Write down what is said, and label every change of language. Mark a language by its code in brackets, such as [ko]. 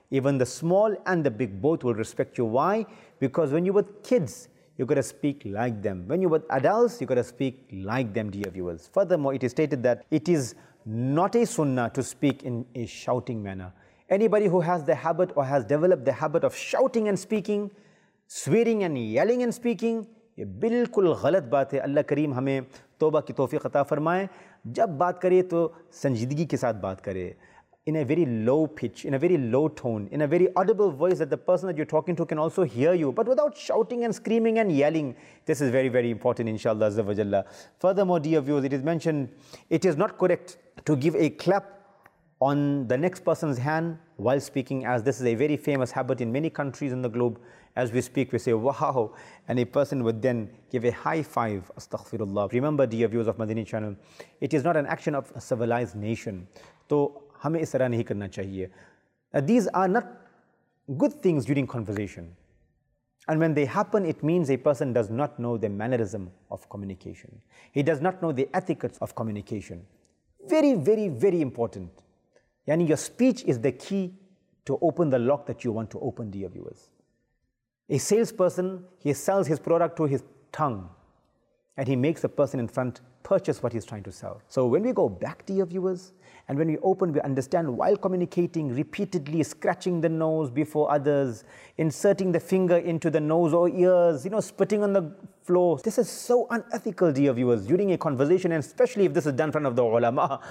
[en] Even the small and the big, both will respect you. Why? Because when you were kids, you got to speak like them. When you were adults, you got to speak like them, dear viewers. Furthermore, it is stated that it is not a sunnah to speak in a shouting manner. Anybody who has the habit or has developed the habit of shouting and speaking, swearing and yelling and speaking, [ur] یہ بالکل غلط بات ہے. اللہ کریم ہمیں توبہ کی توفیق عطا فرمائے. جب بات کرے تو سنجیدگی کے ساتھ بات کرے, [en] In a very low pitch, in a very low tone, in a very audible voice that the person that you are talking to can also hear you, but without shouting and screaming and yelling. This is very very important انشاء اللہ عز و جل. Furthermore dear viewers, it is mentioned it is not correct to give a clip on the next person's hand while speaking, as this is a very famous habit in many countries in the globe. As we speak we say واہ, and a person with then give a high five. استغفر اللہ. Remember dear viewers of Madani channel, it is not an action of a civilize nation. [ur] تو ہمیں اس طرح نہیں کرنا چاہیے. [en] These are not good things during conversation, and when they happen it means a person does not know the mannerism of communication, he does not know the ethics of communication. Very very very important, یعنی your speech is the key to open the lock that you want to open to your viewers. A sales person, he sells his product to his tongue, and he makes a person in front purchase what he is trying to sell. So when we go back to your viewers, and when you open we understand while communicating, repeatedly scratching the nose before others, inserting the finger into the nose or ears, you know spitting on the floor, this is so unethical dear viewers, during a conversation, and especially if this is done front of the علماء.